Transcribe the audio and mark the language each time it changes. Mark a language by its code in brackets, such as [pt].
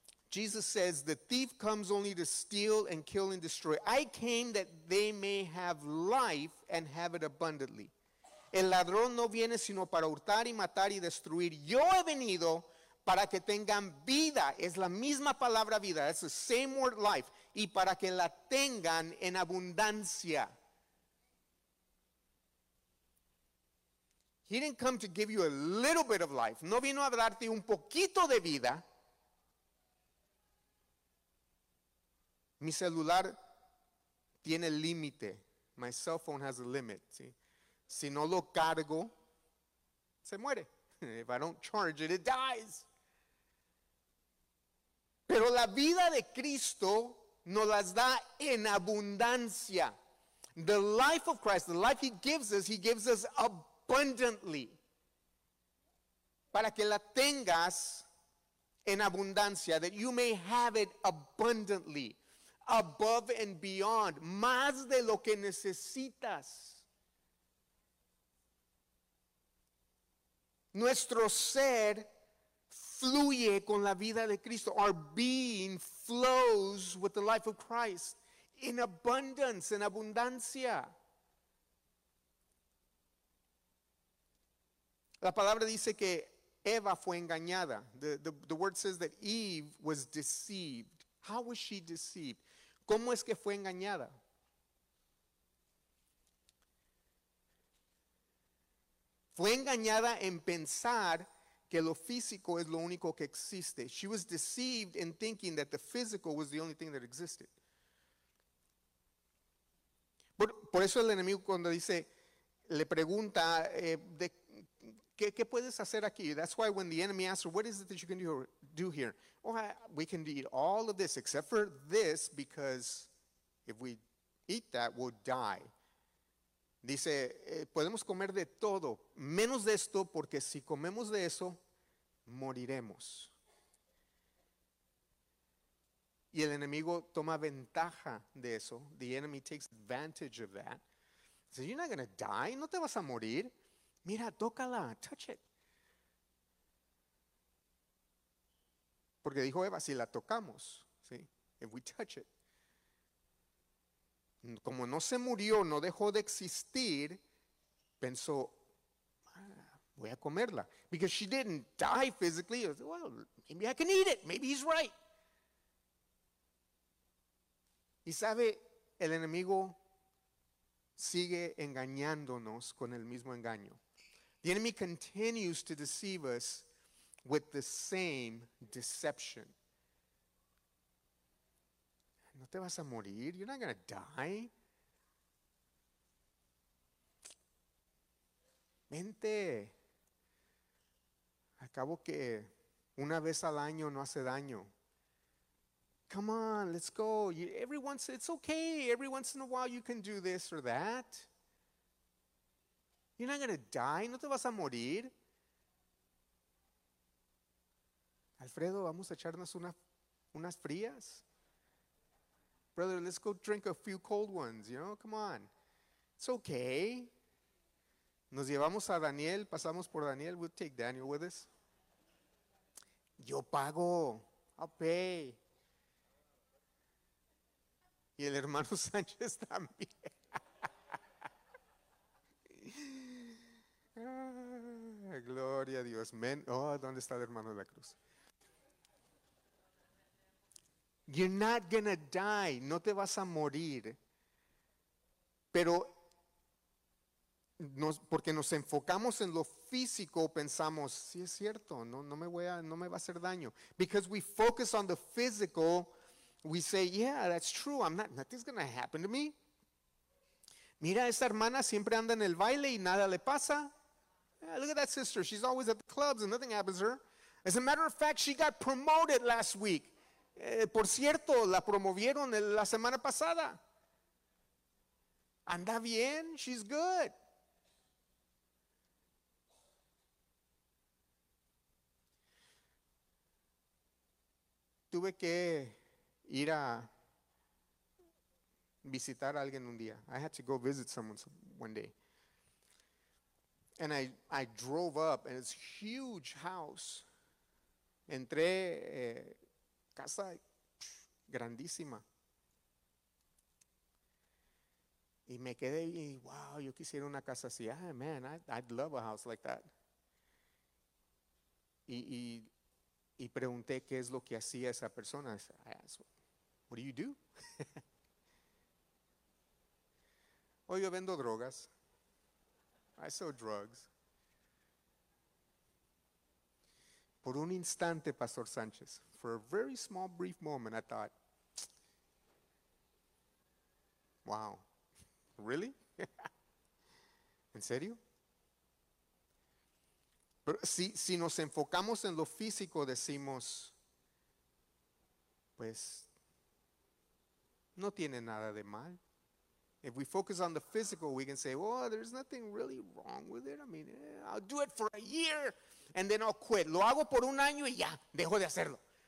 [en] Jesus says, the thief comes only to steal and kill and destroy. I came that they may have life and have it abundantly. [es] El ladrón no viene sino para hurtar y matar y destruir. Yo he venido para que tengan vida. Es la misma palabra vida. [en] It's the same word life. [es] Y para que la tengan en abundancia. [en] He didn't come to give you a little bit of life. [es] No vino a darte un poquito de vida. Mi celular tiene límite. [en] My cell phone has a limit. [es] ¿Sí? Si no lo cargo, se muere. [en] If I don't charge it, it dies. [es] Pero la vida de Cristo nos las da en abundancia. [en] The life of Christ, the life he gives us abundantly. [es] Para que la tengas en abundancia. [en] That you may have it abundantly. Above and beyond, [es] más de lo que necesitas. Nuestro ser fluye con la vida de Cristo. [en] Our being flows with the life of Christ in abundance, [es] en abundancia. La palabra dice que Eva fue engañada. [en] The word says that Eve was deceived. How was she deceived? [es] ¿Cómo es que fue engañada? Fue engañada en pensar que lo físico es lo único que existe. [en] She was deceived in thinking that the physical was the only thing that existed. [es] Por eso el enemigo cuando dice, le pregunta, ¿qué puedes hacer aquí? [en] That's why when the enemy asks her, what is it that you can do here? Oh, we can eat all of this except for this because if we eat that, we'll die. [es] Dice, podemos comer de todo, menos de esto, porque si comemos de eso, moriremos. Y el enemigo toma ventaja de eso. [en] The enemy takes advantage of that. So you're not going to die. [es] No te vas a morir. Mira, tócala. [en] Touch it. [es] Porque dijo Eva, si la tocamos, ¿sí? [en] If we touch it. [es] Como no se murió, no dejó de existir, pensó, ah, voy a comerla. [en] Because she didn't die physically. Well, maybe I can eat it. Maybe he's right. [es] Y sabe, el enemigo sigue engañándonos con el mismo engaño. [en] The enemy continues to deceive us with the same deception. [es] No te vas a morir. [en] You're not going to die. [es] Vente. Acabo que una vez al año no hace daño. [en] Come on, let's go. It's okay. Every once in a while you can do this or that. You're not going to die. [es] No te vas a morir. Alfredo, vamos a echarnos unas frías. [en] Brother, let's go drink a few cold ones, you know? Come on. It's okay. [es] Nos llevamos a Daniel, pasamos por Daniel. [en] We'll take Daniel with us. [es] Yo pago. [en] I'll pay. [es] Y el hermano Sánchez también. Gloria a Dios. Men. Oh, ¿dónde está el hermano de la cruz? [en] You're not gonna die. [es] No te vas a morir. Pero porque nos enfocamos en lo físico, pensamos, sí es cierto, no me va a hacer daño. [en] Because we focus on the physical, we say, yeah, that's true. Nothing's gonna happen to me. [es] Mira, esta hermana siempre anda en el baile y nada le pasa. [en] Yeah, look at that sister. She's always at the clubs and nothing happens to her. As a matter of fact, she got promoted last week. [es] Por cierto, la promovieron la semana pasada. Anda bien, [en] she's good. [es] Tuve que ir a visitar a alguien un día. [en] I had to go visit someone one day. And I drove up, and it's a huge house. [es] Entré casa grandísima. Y me quedé y, wow, yo quisiera una casa así. [en] Ah, man, I'd love a house like that. [es] Y pregunté qué es lo que hacía esa persona. [en] I said, what do you do? [es] Oh, yo vendo drogas. [en] I sell drugs. [es] Por un instante, Pastor Sánchez, [en] for a very small, brief moment, I thought, wow, really? [es] ¿En serio? Pero si nos enfocamos en lo físico, decimos, pues, no tiene nada de mal. [en] If we focus on the physical, we can say, well, there's nothing really wrong with it. I mean, I'll do it for a year, and then I'll quit. [es] Lo hago por un año y ya, dejo de hacerlo.